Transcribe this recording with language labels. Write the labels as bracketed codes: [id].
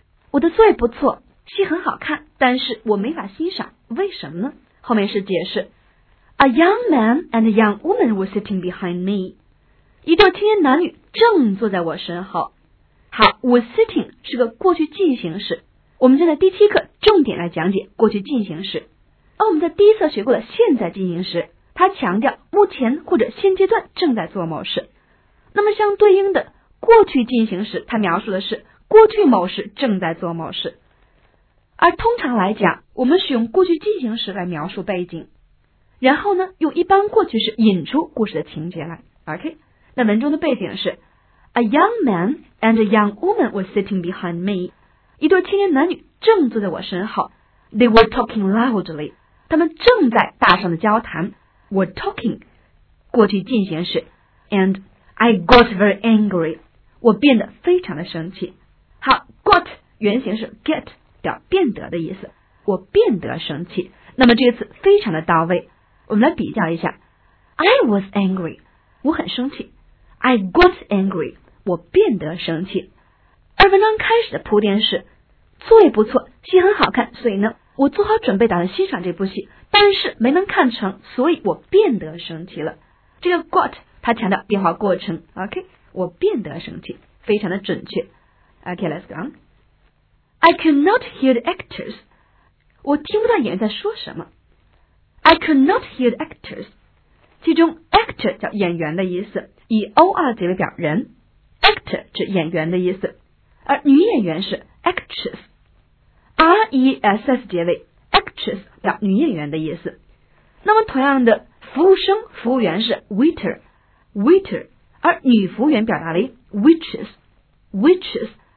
[zh] 我的作业不错，戏很好看，但是我没法欣赏，为什么呢？后面是解释。 [en] A young man and a young woman were sitting behind me. [zh] 一对青年男女正坐在我身后。好 ,were sitting 是个过去进行时。我们就在第七课重点来讲解过去进行时。而我们在第一册学过的现在进行时，它强调目前或者现阶段正在做某事。那么相对应的过去进行时，它描述的是过去某事正在做某事。而通常来讲，我们使用过去进行时来描述背景，然后呢用一般过去式引出故事的情节来。 [en] OK, [zh] 那文中的背景是 [en] A young man and a young woman were sitting behind me. [zh] 一对青年男女正坐在我身后。 [en] They were talking loudly. [zh] 他们正在大声的交谈。 Were talking 过去进行时。 [en] And I got very angry. [zh] 我变得非常的生气。好， got 原型是 get, 表变得的意思。我变得生气，那么这次非常的到位。我们来比较一下， [en] I was angry, [zh] 我很生气， [en] I got angry, [zh] 我变得生气。而文章开始的铺垫是，作业不错，戏很好看，所以呢，我做好准备打算欣赏这部戏，但是没能看成，所以我变得生气了。这个 got, 它强调变化过程， OK, 我变得生气，非常的准确。 [en] OK, let's go on. I could not hear the actors, [zh] 我听不到演员在说什么。 [en] I could not hear the actors. [zh] 其中 actor 叫演员的意思，以 OR 结尾表人， actor 指演员的意思，而女演员是 actress, R-E-S-S 结尾， actress 表女演员的意思。那么同样的，服务生服务员是 waiter, waiter, 而女服务员表达为 witches, witches.